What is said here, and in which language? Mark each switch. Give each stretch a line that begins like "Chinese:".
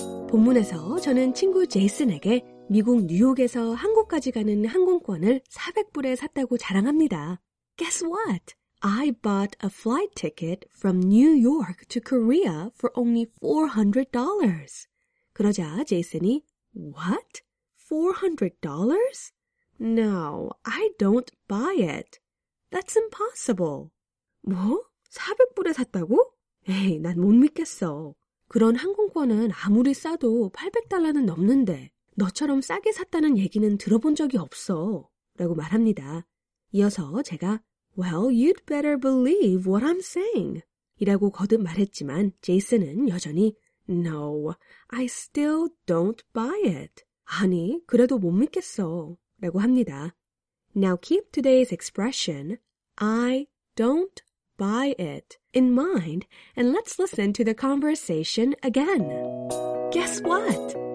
Korean: 본문에서 저는 친구 제이슨에게 미국 뉴욕에서 한국까지 가는 항공권을 400불에 샀다고 자랑합니다.
English: Guess what? I bought a flight ticket from New York to Korea for only $400.
Korean: 그러자 제이슨이
English: What? $400? No, I don't buy it. That's impossible.
Korean: 뭐? 400불에 샀다고? 에이, 난 못 믿겠어. 그런 항공권은 아무리 싸도 800달러는 넘는데 너처럼 싸게 샀다는 얘기는 들어본 적이 없어. 라고 말합니다. 이어서 제가
English: Well, you'd better believe what I'm saying.
Korean: 이라고 거듭 말했지만 제이슨은 여전히
English: No, I still don't buy it.
Korean: 아니, 그래도 못 믿겠어. 라고 합니다.
English: Now keep today's expression, I don't buy it, in mind, and let's listen to the conversation again. Guess what?